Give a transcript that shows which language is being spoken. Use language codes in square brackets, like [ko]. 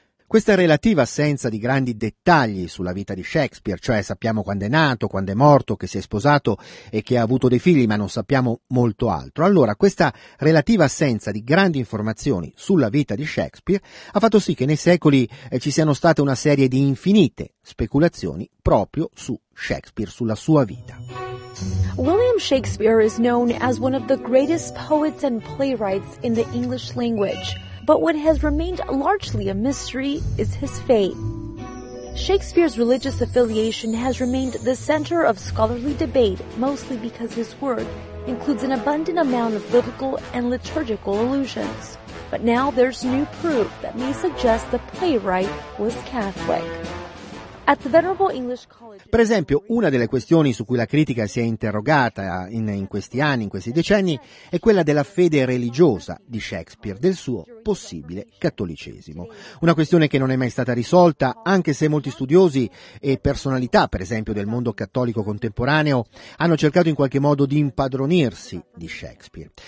[it] Questa relativa assenza di grandi dettagli sulla vita di Shakespeare, cioè sappiamo quando è nato, quando è morto, che si è sposato e che ha avuto dei figli, ma non sappiamo molto altro. Allora, questa relativa assenza di grandi informazioni sulla vita di Shakespeare ha fatto sì che nei secoli ci siano state una serie di infinite speculazioni proprio su Shakespeare, sulla sua vita. [en] William Shakespeare is known as one of the greatest poets and playwrights in the English language. But what has remained largely a mystery is his fate. Shakespeare's religious affiliation has remained the center of scholarly debate, mostly because his work includes an abundant amount of biblical and liturgical allusions. But now there's new proof that may suggest the playwright was Catholic. At the Venerable English College. [it] Per esempio, una delle questioni su cui la critica si è interrogata in questi anni, in questi decenni, è quella della fede religiosa di Shakespeare, del suo possibile cattolicesimo. Una questione che non è mai stata risolta, anche se molti studiosi e personalità, per esempio del mondo cattolico contemporaneo, hanno cercato in qualche modo di impadronirsi di Shakespeare.